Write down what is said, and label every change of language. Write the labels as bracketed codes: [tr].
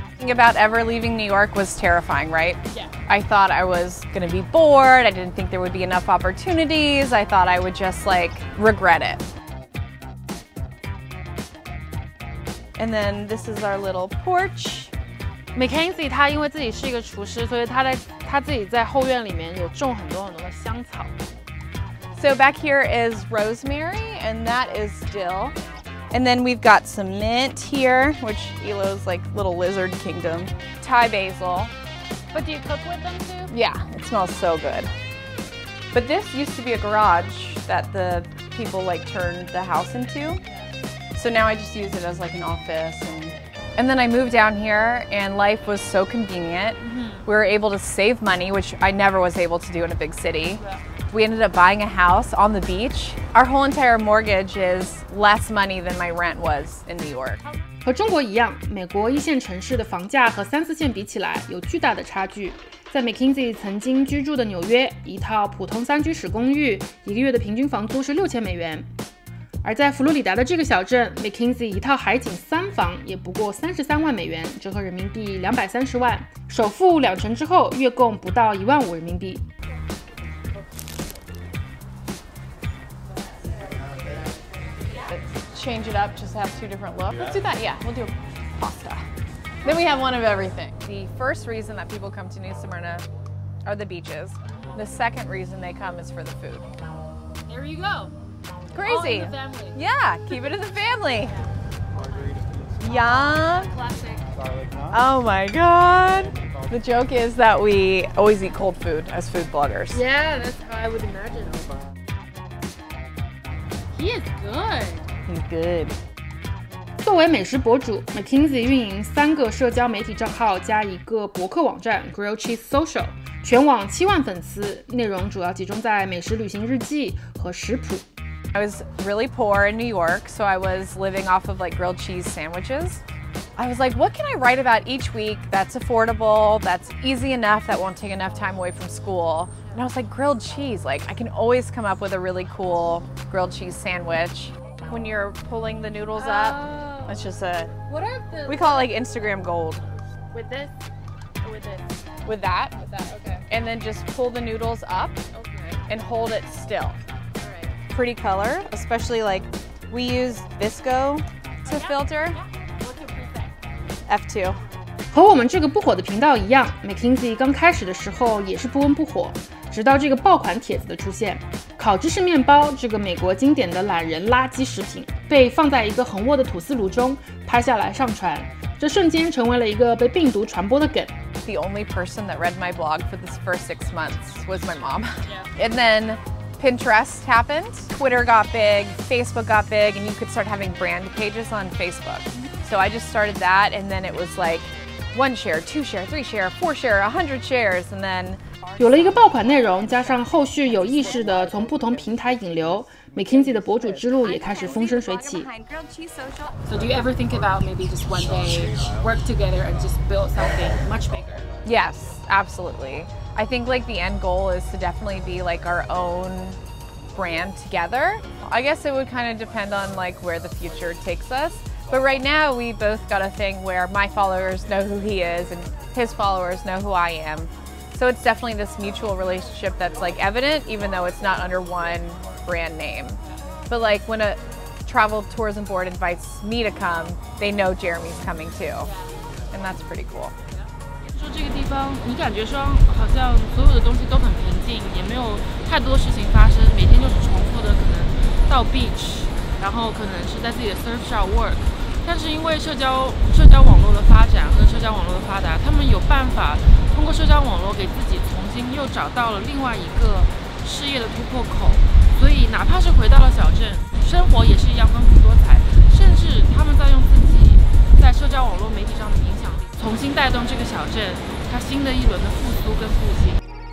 [en] Thinking about ever leaving New York was terrifying, right? Yeah. I thought I was gonna be bored. I didn't think there would be enough opportunities. I thought I would just like regret it. And then this is our little porch. [zh] Mackenzie 他因为自己是一个厨师，所以他自己在后院里面有种很多很多的香草。 [en] So back here is rosemary, and that is dill. And then we've got some mint here, which Elo's like little lizard kingdom. Thai basil. But do you cook with them too? Yeah, it smells so good. But this used to be a garage that the people like turned the house into. So now I just use it as like an office and. And then I moved down here and life was so convenient. Mm-hmm. We were able to save money, which I never was able to do in a big city. Yeah. We ended up buying a house on the beach. Our whole entire mortgage is less money than my rent was in New York. [zh] 和中国一样，美国一线城市的房价和三四线比起来有巨大的差距。在 Mackenzie 曾经居住的纽约，一套普通三居室公寓，一个月的平均房租是$6,000。而在佛罗里达的这个小镇 ，Mackenzie 一套海景三房也不过$33,000，折合人民币230万。首付两成之后，月供不到$15,000。 [en] Change it up, just have two different looks. Let's do that. Yeah, we'll do pasta. Then we have one of everything. The first reason that people come to New Smyrna are the beaches. The second reason they come is for the food. There you go. Crazy. All in the family. Yeah, keep it in the family. Yeah. Yum. Classic. Oh my god. The joke is that we always eat cold food as food bloggers. Yeah, that's how I would imagine. He is good. He's good. [zh] 作为美食博主 ，Mackenzie 运营三个社交媒体账号加一个博客网站 Grill Cheese Social， 全网70,000粉丝，内容主要集中在美食旅行日记和食谱。 [en] I was really poor in New York, so I was living off of like grilled cheese sandwiches. I was like, what can I write about each week that's affordable, that's easy enough, that won't take enough time away from school? And I was like, grilled cheese, like I can always come up with a really cool grilled cheese sandwich. When you're pulling the noodles up, that's just a, what are the, we call it like Instagram gold. With this or with this? With that. With that, okay. And then just pull the noodles up, okay. And hold it still. Pretty color, especially like we use Visco to filter. F2. [zh] 和我们这个不火的频道一样 ，Mackenzie 刚开始的时候也是不温不火，直到这个爆款帖子的出现。烤芝士面包这个美国经典的懒人垃圾食品被放在一个横卧的吐司炉中拍下来上传，这瞬间成为了一个被病毒传播的梗。 [en] The only person that read my blog for the first 6 months was my mom. Yeah. And then. Pinterest happened, Twitter got big, Facebook got big, and you could start having brand pages on Facebook. So I just started that, and then it was like 1 share, 2 share, 3 share, 4 share, 100 shares, and then [zh] 有了一个爆款内容，加上后续有意识的从不同平台引流 ，McKinsey 的博主之路也开始风生水起。 [en] So do you ever think about maybe just one day work together and just build something much bigger? Yes, absolutely. I think like the end goal is to definitely be like our own brand together. I guess it would kind of depend on like where the future takes us. But right now we both got a thing where my followers know who he is and his followers know who I am. So it's definitely this mutual relationship that's like evident, even though it's not under one brand name. But like when a travel tourism board invites me to come, they know Jeremy's coming too. And that's pretty cool. [zh] 说这个地方，你感觉说好像所有的东西都很平静，也没有太多事情发生，每天就是重复的可能到 beach， 然后可能是在自己的 [en] surf shop work。 [zh] 但是因为社交网络的发展和社交网络的发达，他们有办法通过社交网络给自己重新又找到了另外一个事业的突破口，所以哪怕是回到了小镇，生活也是一样丰富多彩，甚至他们在用自己在社交网络媒体上的影响力重新带动这个小镇它新的一轮的复苏跟复兴。